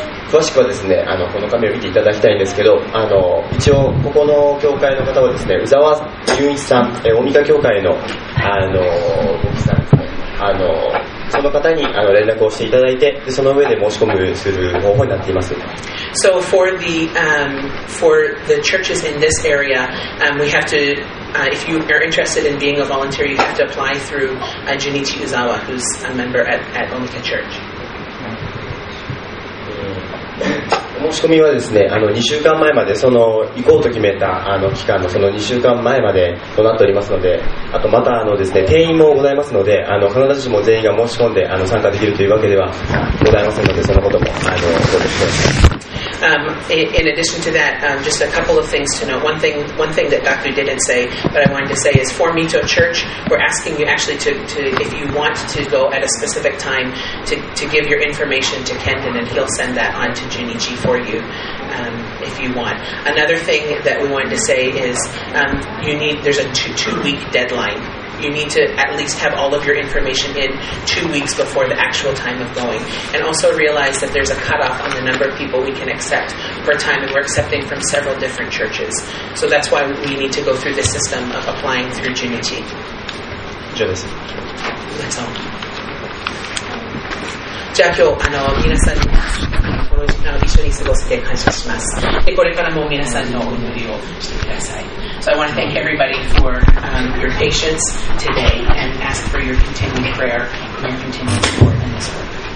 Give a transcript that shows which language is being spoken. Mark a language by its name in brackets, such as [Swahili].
[Japanese] 詳しくはですね、この紙を見ていただきたいんですけど、一応ここの教会の方はですね、宇沢純一さん、大御神教会の牧師さんですね、その方に連絡をしていただいて、その上で申し込みする方法になっています。 [English] So for the churches in this area, we have to, if you are interested in being a volunteer, you have to apply through Junichi Uzawa, who's a member at Omika Church. [Japanese] 申し込みはですね、2週間前まで、その行こうと決めた期間のその2週間前までとなっておりますので、あとまたですね、定員もございますので、必ずしも全員が申し込んで参加できるというわけではございませんので、そのこともご了承ください。 [English] In addition to that, just a couple of things to note. One thing that Gaku didn't say, but I wanted to say, is for Mito Church, we're asking you actually to if you want to go at a specific time, to give your information to Kenton, and he'll send that on to Junichi for you, if you want. Another thing that we wanted to say is there's a two-week deadline. You need to at least have all of your information in 2 weeks before the actual time of going. And also realize that there's a cutoff on the number of people we can accept for time, and we're accepting from several different churches. So that's why we need to go through the system of applying through Junichi. Genesis. That's all. [Japanese] じゃあ今日皆さんにこの時間を一緒に過ごして感謝します。でこれからも皆さんのお祈りをしてください。 [English] So I want to thank everybody for your patience today and ask for your continued prayer and your continued support in this work.